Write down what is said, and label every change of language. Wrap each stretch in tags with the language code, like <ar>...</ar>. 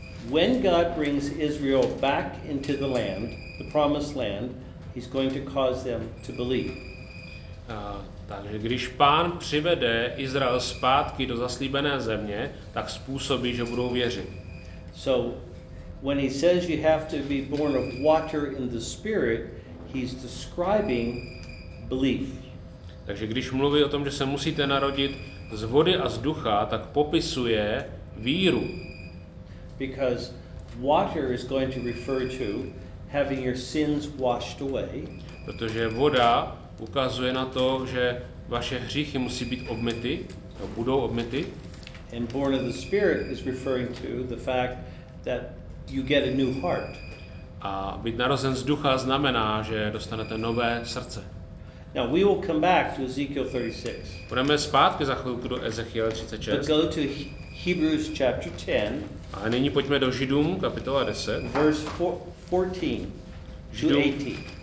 <en>When God brings Israel back into the land, the promised land, he's going to cause them to believe.</en> <cs>Takže když Pán přivede Izrael zpátky do zaslíbené země, tak způsobí, že budou věřit.</cs> <en>So when he says you have to be born of water in the spirit, he's describing belief.</en> <cs>Takže když mluví o tom, že se musíte narodit z vody a z ducha, tak popisuje víru.</cs> <en>Because water is going to refer to having your sins washed away.</en> <cs>Protože voda ukazuje na to, že vaše hříchy musí být obmyty, budou obmyty.</cs> <en>And born of the spirit is referring to the fact that you get a new heart.</en> <cs>A být narozen z ducha znamená, že dostanete nové srdce.</cs> <en>Now we will come back to Ezekiel 36.</en> <cs>Půjdeme zpátky za chvilku do Ezechiela 36.</cs> <en>But go to Hebrews chapter 10.</en> <cs>A nyní pojďme do Židům, kapitola 10.</cs> <en>Verse 14 to 18.</en>